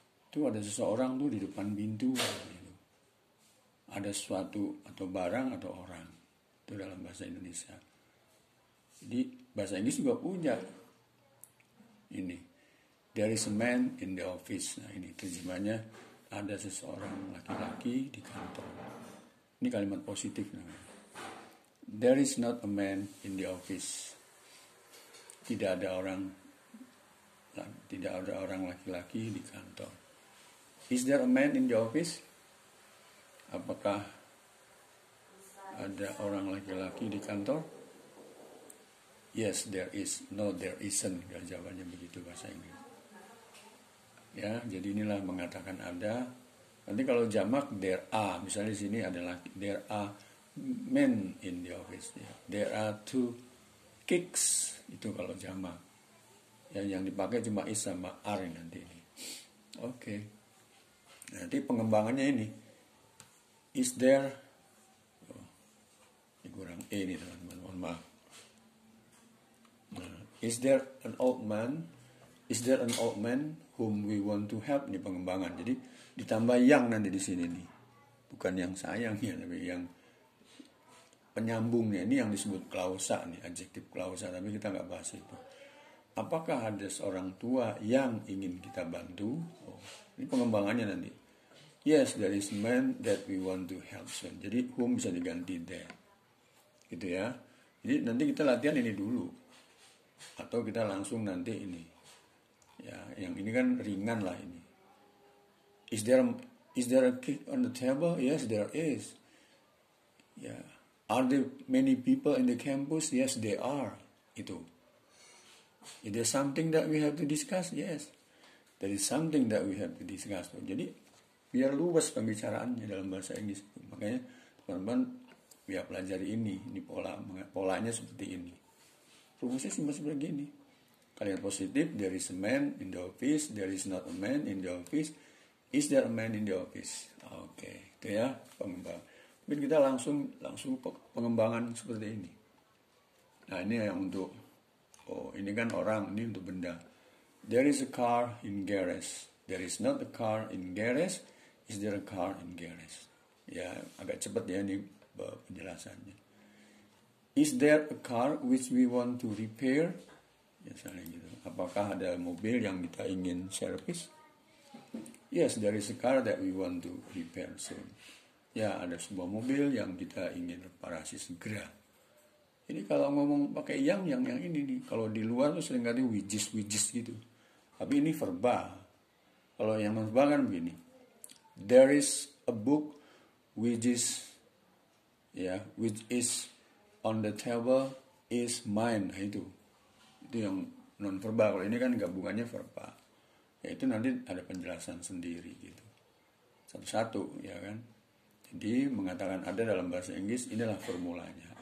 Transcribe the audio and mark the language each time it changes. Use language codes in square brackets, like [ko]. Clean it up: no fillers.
[id] Itu ada seseorang tuh di depan pintu gitu. Ada sesuatu atau barang atau orang. Itu dalam bahasa Indonesia. Jadi bahasa Inggris juga punya ini. [en] There is a man in the office. [id] Nah, ini terjemahannya ada seseorang laki-laki di kantor. Ini kalimat positif namanya. [en] There is not a man in the office. [id] Tidak ada orang laki-laki di kantor. [en] Is there a man in the office? [id] Apakah ada orang laki-laki di kantor? [en] Yes, there is. No, there isn't. [id] Dan jawabannya begitu bahasa Inggris. Ya, jadi inilah mengatakan ada. Nanti kalau jamak there are, misalnya di sini ada laki, [en] there are men in the office. [id] Ya. [en] There are two cakes. [id] Itu kalau jamak. Ya, yang dipakai cuma is sama are nanti ini. Oke. Okay. Nanti pengembangannya ini. [en] Is there. [id] Oh, ini kurang E nih teman-teman. Mohon maaf. [en] Nah, is there an old man. Is there an old man whom we want to help. [id] Ini pengembangan. Jadi ditambah yang nanti di sini nih. Bukan yang sayang ya. Tapi yang penyambungnya. Ini yang disebut klausa nih. Adjektif klausa. Tapi kita gak bahas itu. Apakah ada seorang tua yang ingin kita bantu? Oh, ini pengembangannya nanti. [en] Yes, there is a man that we want to help soon. [id] Jadi whom bisa diganti that. Gitu ya. Jadi nanti kita latihan ini dulu. Atau kita langsung nanti ini. Ya, yang ini kan ringan lah ini. [en] Is there a cake on the table? Yes, there is. Ya. Are there many people in the campus? Yes, there are. Itu. Is there something that we have to discuss? Yes. There is something that we have to discuss. [id] Jadi, biar luas pembicaraannya dalam bahasa Inggris. Makanya, teman-teman, biar pelajari ini polanya seperti ini. Rumusnya simpel seperti begini. Kalimat positif, [en] there is a man in the office, there is not a man in the office, is there a man in the office? [id] Oke, okay. Itu ya, pengembangan. Mungkin kita langsung pengembangan seperti ini. Nah, ini yang untuk. Oh, ini kan orang, ini untuk benda. [en] There is a car in garage. There is not a car in garage. Is there a car in garage? [id] Ya, agak cepat ya ini penjelasannya. [en] Is there a car which we want to repair? [id] Ya, salah gitu. Apakah ada mobil yang kita ingin service? [en] Yes, there is a car that we want to repair soon. [id] Ya, ada sebuah mobil yang kita ingin reparasi segera. Ini kalau ngomong pakai yang ini nih. Kalau di luar tuh sering kali which is gitu. Tapi ini verbal. Kalau yang verbal kan begini. [en] There is a book which is which is on the table is mine. [id] Nah, itu. Itu yang non verbal. Kalau ini kan gabungannya verbal. Ya itu nanti ada penjelasan sendiri gitu. Satu-satu ya kan. Jadi mengatakan ada dalam bahasa Inggris inilah formulanya.